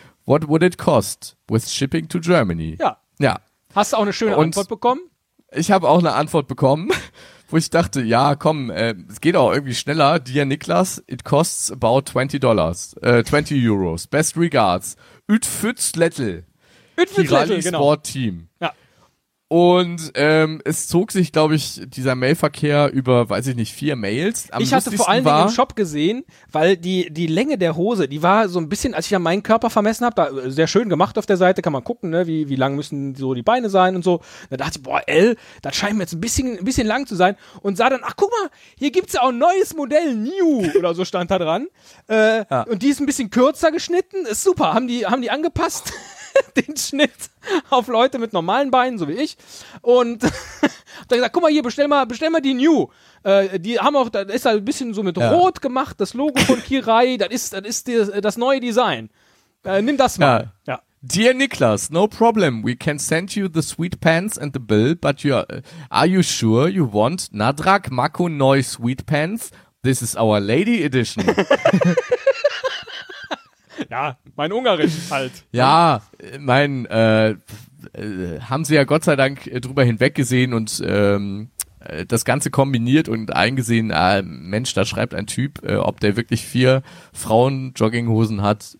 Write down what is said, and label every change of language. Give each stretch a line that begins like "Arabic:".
English: What would it cost with shipping to Germany?
German: Ja. Hast du auch eine schöne Antwort bekommen? Ich habe auch eine Antwort bekommen, wo ich dachte, ja, komm, es geht auch irgendwie schneller.
English: Dear Niklas, it costs about $20. 20 Euros. Best regards. Ütfützlettl,
German: genau.
English: Sport Team.
German: Ja. Und es zog sich, glaube ich, dieser Mailverkehr über, weiß ich nicht, 4 Mails. Ich hatte vor allen Dingen im Shop gesehen, weil die Länge der Hose, die war so ein bisschen, als ich ja meinen Körper vermessen habe, da sehr schön gemacht auf der Seite, kann man gucken, ne, wie lang müssen so die Beine sein und so. Da dachte ich, boah, L, das scheint mir jetzt ein bisschen lang zu sein. Und sah dann, ach guck mal, hier gibt's ja auch ein neues Modell, New, oder so stand da dran. Und die ist ein bisschen kürzer geschnitten, ist super, haben die angepasst. Den Schnitt auf Leute mit normalen Beinen, so wie ich. Und dann gesagt, guck mal hier, bestell mal die New. Die haben auch, das ist halt ein bisschen so mit Rot gemacht, das Logo von Kiray, das ist das neue Design. Nimm das mal. Ja.
English: Dear Niklas, no problem. We can send you the sweet pants and the bill, but are you sure you want Nadrak Mako Noi sweet pants? This is our lady edition.
German: Ja, mein Ungarisch halt. Ja, mein, haben sie ja Gott sei Dank drüber hinweggesehen und das Ganze kombiniert und eingesehen, Mensch, da schreibt ein Typ, ob der wirklich 4 Frauen-Jogginghosen hat.